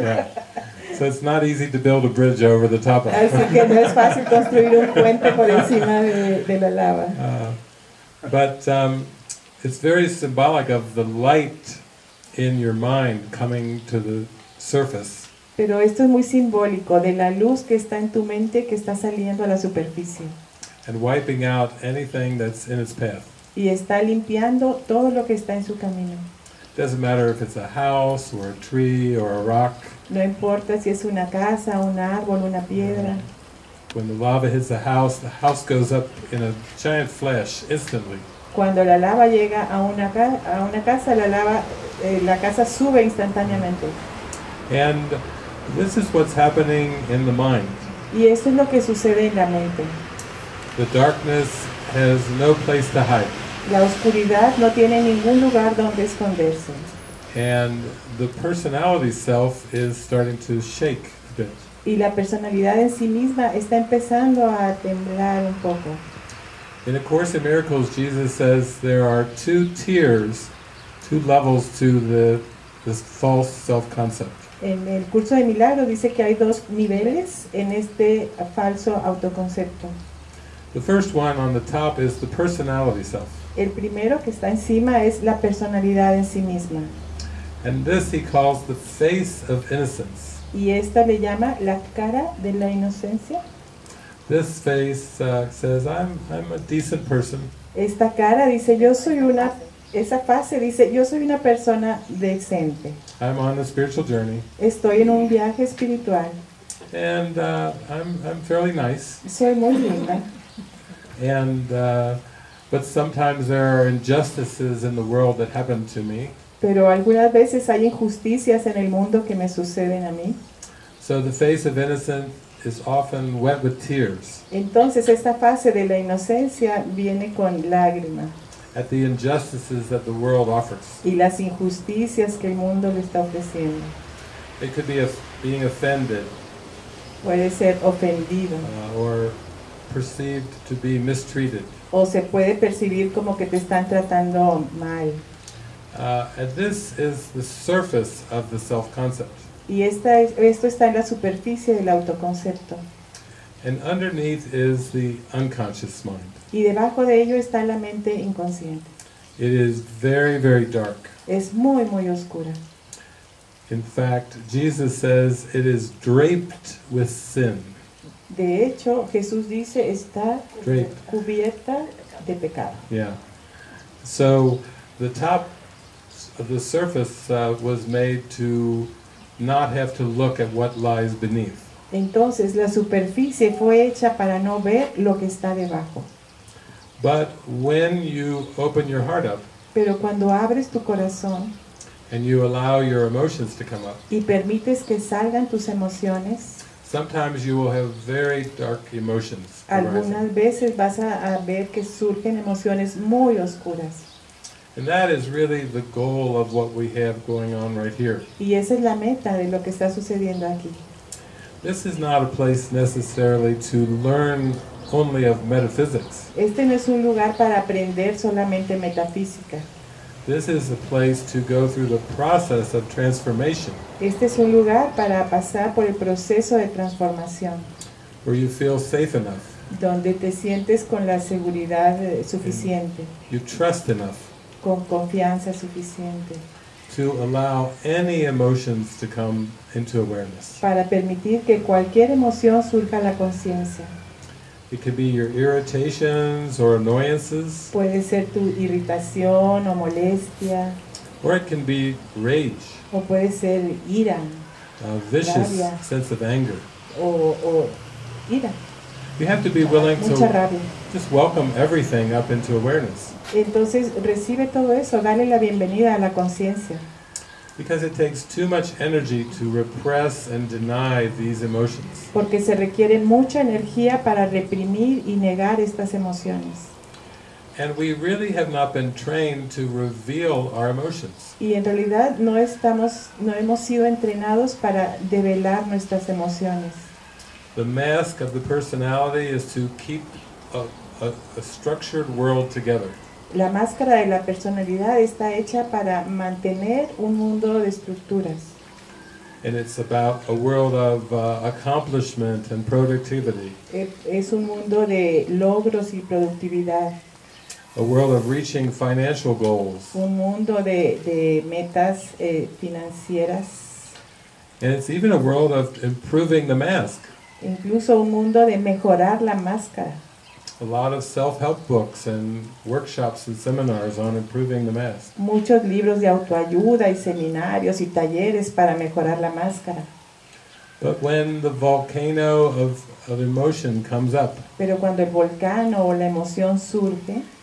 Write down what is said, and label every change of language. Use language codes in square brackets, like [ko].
[en] Yeah. So it's not easy to build a bridge over the top of it. [es] Así que no es fácil construir un puente por encima de la lava. [en] But it's very symbolic of the light in your mind coming to the surface. [es] Pero esto es muy simbólico de la luz que está en tu mente que está saliendo a la superficie. [en] And wiping out anything that's in its path. [es] Y está limpiando todo lo que está en su camino. [en] Doesn't matter if it's a house or a tree or a rock. [es] No importa si es una casa, un árbol, una piedra. [en] When the lava hits the house goes up in a giant flash instantly. [es] Cuando la lava llega a una casa, la casa sube instantáneamente. [en] And this is what's happening in the mind. [es] Y esto es lo que sucede en la mente. [en] The darkness has no place to hide. [es] La oscuridad no tiene ningún lugar donde esconderse. [en] And the personality self is starting to shake a bit. [es] y la personalidad en sí misma está empezando a temblar un poco. [en] In A Course in Miracles, Jesus says there are two tiers, two levels to this false self-concept. [es] En el curso de milagros dice que hay dos niveles en este falso autoconcepto. [en] The first one on the top is the personality self. [es] El primero que está encima es la personalidad en sí misma. [en] And this he calls the face of innocence. [es] Y esta le llama la cara de la inocencia. [en] This face says I'm a decent person. [es] Esta cara dice yo soy una, esa fase dice yo soy una persona decente. [en] I'm on a spiritual journey. [es] Estoy en un viaje espiritual. [en] And I'm fairly nice. [es] Soy muy linda. [en] And but sometimes there are injustices in the world that happen to me. [es] Pero algunas veces hay injusticias en el mundo que me suceden a mí. [en] So the face of innocence is often wet with tears. [es] Entonces esta fase de la inocencia viene con lágrimas. [en] At the injustices that the world offers. [es] Y las injusticias que el mundo le está ofreciendo. [en] It could be being offended. [es] Puede ser ofendido. [en] Or perceived to be mistreated. [es] O se puede percibir como que te están tratando mal. [en] And this is the surface of the self-concept. [es] Y esta es, esto está en la superficie del autoconcepto. [en] And underneath is the unconscious mind. [es] Y debajo de ello está la mente inconsciente. [en] It is very, very dark. [es] Es muy, muy oscura. [en] In fact, Jesus says it is draped with sin. [es] De hecho, Jesús dice está [en] draped. [es] Cubierta de pecado. [en] Yeah. So the top of the surface was made to not have to look at what lies beneath. [es] Entonces, la superficie fue hecha para no ver lo que está debajo. [en] But when you open your heart up, [es] pero cuando abres tu corazón, [en] and you allow your emotions to come up, [es] y permites que salgan tus emociones, [en] sometimes you will have very dark emotions. [es] Algunas veces vas a ver que surgen emociones muy oscuras. [en] And that is really the goal of what we have going on right here. [es] Y esa es la meta de lo que está sucediendo aquí. [en] This is not a place necessarily to learn only of metaphysics. [es] Este no es un lugar para aprender solamente metafísica. [en] This is a place to go through the process of transformation. [es] Este es un lugar para pasar por el proceso de transformación. [en] Where you feel safe enough. [es] Donde te sientes con la seguridad suficiente. [en] You trust enough. [es] Con confianza suficiente. [en] To allow any emotions to come into awareness. [es] Para permitir que cualquier emoción surja a la conciencia. [en] It could be your irritations or annoyances. [es] Puede ser tu irritación o molestia. [en] Or it can be rage. [es] O puede ser ira. [en] A vicious [es] rabia, [en] sense of anger. [es] O ira. [en] You have to be willing [es] mucha [en] to [es] rabia. [en] Just welcome everything up into awareness. [es] Entonces recibe todo eso, dale la bienvenida a la conciencia. [en] Because it takes too much energy to repress and deny these emotions. [es] Porque se requiere mucha energía para reprimir y negar estas emociones. [en] And we really have not been trained to reveal our emotions. [es] Y en realidad no hemos sido entrenados para develar nuestras emociones. [en] The mask of the personality is to keep a structured world together. [es] La máscara de la personalidad está hecha para mantener un mundo de estructuras. [en] And it's about a world of accomplishment and productivity. [es] Es un mundo de logros y productividad. [en] A world of reaching financial goals. [es] Un mundo de metas financieras. [en] And it's even a world of improving the mask. [es] Incluso un mundo de mejorar la máscara. [en] A lot of self-help books and workshops and seminars on improving the mask. [es] Muchos libros de autoayuda y seminarios y talleres para mejorar la máscara. [en] But when the volcano of emotion comes up. [es] Pero cuando el volcán o la emoción surge,